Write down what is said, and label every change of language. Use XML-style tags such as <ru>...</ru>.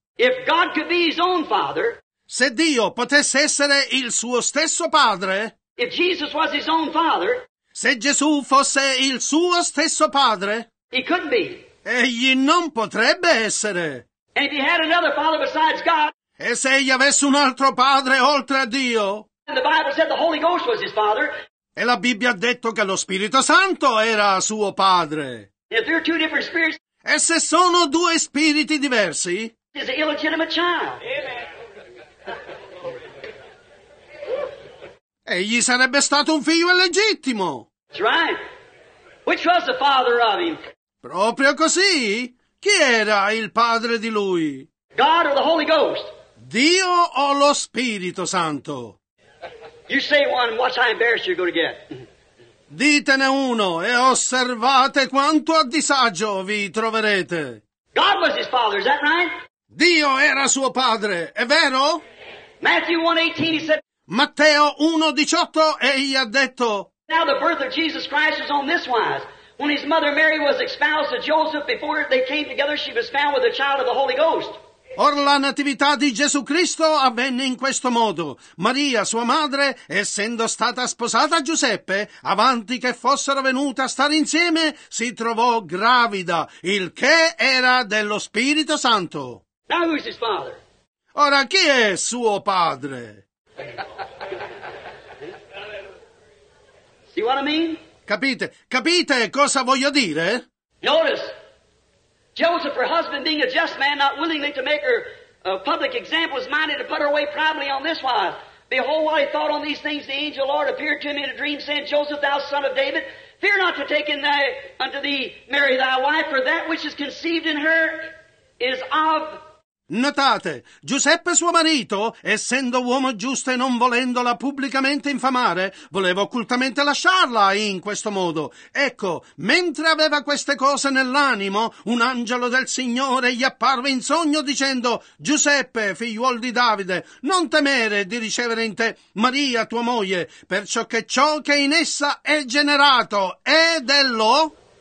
<en>If God could be his own father,</en> <it>se Dio potesse essere il suo stesso padre,</it> <en>if Jesus was his own father,</en> <it>se Gesù fosse il suo stesso padre,</it> <en>he couldn't be.</en> <it>Egli non potrebbe essere.</it> <en>And if he had another father besides God,</en> <it>e se egli avesse un altro padre oltre a Dio,</it> <en>and the Bible said the Holy Ghost was his father,</en> <it>e la Bibbia ha detto che lo Spirito Santo era suo padre,</it> <en>if there are two different spirits,</en> <it>e se sono due spiriti diversi,</it> <en>is an illegitimate child. Amen.</en> <it>Egli sarebbe stato un figlio illegittimo.</it> <en>That's right. Which was the father of him?</en> <it>Proprio così. Chi era il padre di lui?</it> <en>God or the Holy Ghost?</en> <it>Dio o lo Spirito Santo?</it> <en>You say one and watch how embarrassed you're going to get.</en> <it>Ditene uno e osservate quanto a disagio vi troverete.</it> <en>God was his father, is that right?</en> <it>Dio era suo padre, è vero?</it> <en>Matthew 1:18 he said,</en> <it>Matteo 1:18 egli ha detto,</it> <en>now the birth of Jesus Christ is on this wise. When his mother Mary was espoused to Joseph, before they came together, she was found with a child of the Holy Ghost.</en> <it>Or la natività di Gesù Cristo avvenne in questo modo. Maria, sua madre, essendo stata sposata a Giuseppe, avanti che fossero venute a stare insieme, si trovò gravida, il che era dello Spirito Santo.</it> <en>Now who's his father?</en> <it>Ora chi è suo padre?</it> <en>See what I mean?</en> <it>Capite? Capite cosa voglio dire?</it> <en>Notice, Joseph, her husband, being a just man, not willingly to make her a public example, was minded to put her away privately on this wise. Behold, while he thought on these things, the angel of the Lord appeared to him in a dream, saying, Joseph, thou son of David, fear not to take in thy, unto thee Mary thy wife, for that which is conceived in her is of...</en> <it>Notate, Giuseppe suo marito, essendo uomo giusto e non volendola pubblicamente infamare, voleva occultamente lasciarla in questo modo. Ecco, mentre aveva queste cose nell'animo, un angelo del Signore gli apparve in sogno dicendo, Giuseppe, figliuol di Davide, non temere di ricevere in te Maria, tua moglie, perciò che ciò che in essa è generato è dello...</it>